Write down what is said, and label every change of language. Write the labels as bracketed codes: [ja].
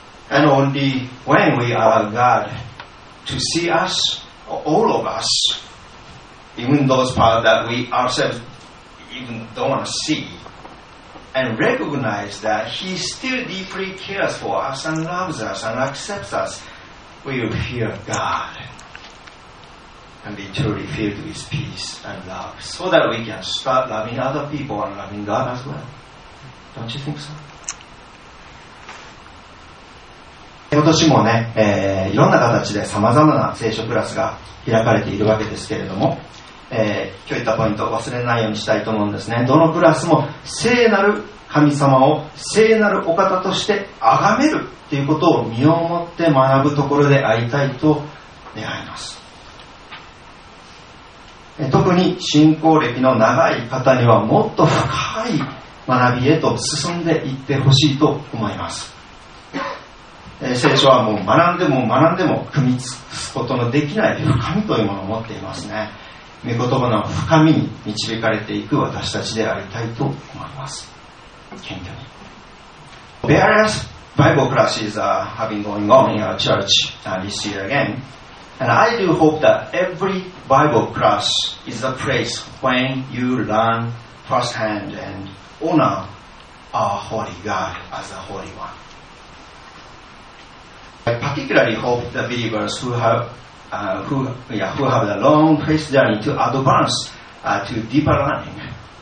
[en] And only when we allow God to see us, all of us, even those parts that we ourselves even don't want to see,And recognize that He still deeply cares for us and loves us and accepts us. We will hear God and be truly filled with peace and love so that we can start loving other people and loving God as well. Don't you think so? [ja] 今年もね、いろんな形でさまざまな聖書クラスが開かれているわけですけれども、今日言ったポイントを忘れないようにしたいと思うんですね。どのクラスも聖なる神様を聖なるお方として崇めるということを身をもって学ぶところでありたいと願います。特に信仰歴の長い方にはもっと深い学びへと進んでいってほしいと思います。聖書はもう学んでも学んでも組み尽くすことのできない深みというものを持っていますね。御言葉の深みに導かれていく私たちでありたいと思います。謙虚に。 [en] Various Bible classes are having going on in our church this year again, and I do hope that every Bible class is a place when you learn firsthand and honor our holy God as a holy oneI particularly hope the believers who have the long faith journey to advance to deeper learning.